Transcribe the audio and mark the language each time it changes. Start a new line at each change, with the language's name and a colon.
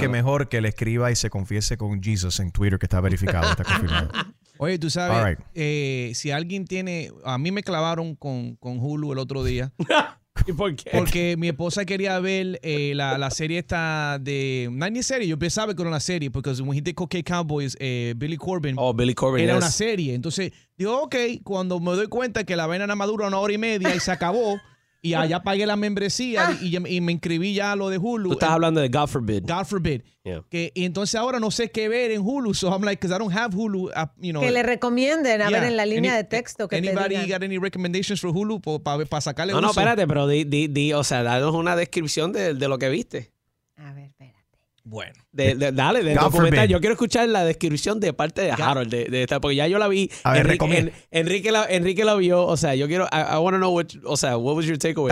Spanish: Que mejor que le escriba y se confiese con Jesus en Twitter, que está verificado, está confirmado. Oye, tú sabes,
English: right.
Spanish: Si alguien tiene... A mí me clavaron con Hulu el otro día. ¿Y por qué? Porque mi esposa quería ver la serie esta de... No es ni serie, yo pensaba que era una serie. Porque
English: when he did Cocaine Cowboys, Billy Corbin,
Spanish: era
English: yes.
Spanish: Una serie. Entonces, digo, ok, cuando me doy cuenta que la vaina nada más dura una hora y media y se acabó, y allá pagué la membresía y me inscribí ya a lo de Hulu. Tú estás hablando de God Forbid.
English: Yeah.
Spanish: Que, y entonces ahora no sé qué ver en Hulu,
English: so I'm like, because I don't have Hulu. You know,
Spanish: que le recomienden, a ver en la línea de texto que
English: anybody
Spanish: te digan.
English: Got any recommendations for Hulu
Spanish: para sacarle no, uso? No, espérate, pero di, o sea, danos una descripción de lo que viste. A ver, espérate. Bueno. Dale, God documental. Forbid. Yo quiero escuchar la descripción de parte de Harold, de esta, porque ya yo la vi. A ver, recomiendo. Enrique la vio, o sea, yo quiero,
English: I want to know what,
Spanish: o sea,
English: what was your takeaway?